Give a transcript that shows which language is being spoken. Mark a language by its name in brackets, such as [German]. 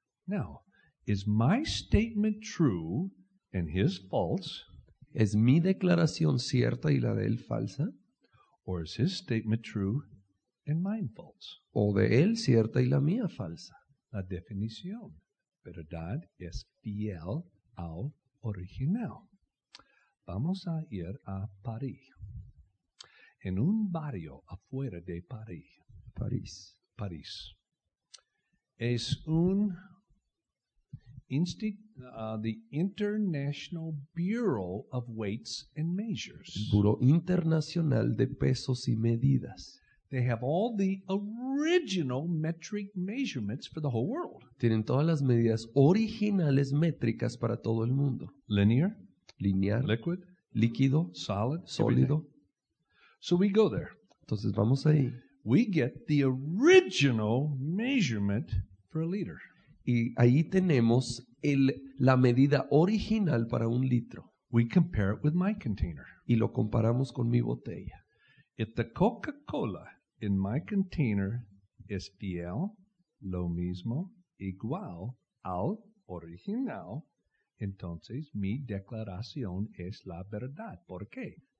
[English] Now, is my statement true and his false? [Spanish] ¿Es mi declaración cierta y la de él falsa? [English] Or is his statement true and mine false? [Spanish] ¿O de él cierta y la mía falsa? La definición. Verdad es fiel al original. Vamos a ir a París. En un barrio afuera de París. Es un [English] the International Bureau of Weights and Measures. [Spanish] Buró Internacional de Pesos y Medidas. [English] They have all the original metric measurements for the whole world. [Spanish] Tienen todas las medidas originales métricas para todo el mundo. [English] Linear. [Spanish] Lineal. [English] Liquid. [Spanish] Líquido. [English] Solid. [Spanish] Sólido. [English] So we go there. [Spanish] Entonces vamos ahí. [English] We get the original measurement for a liter. [Spanish] Y ahí tenemos la medida original para un litro. [English] We compare it with my container. [Spanish] Y lo comparamos con mi botella. [English] If the Coca-Cola in my container is [Spanish] fiel, lo mismo, igual al original, entonces mi declaración es la verdad. ¿Por qué?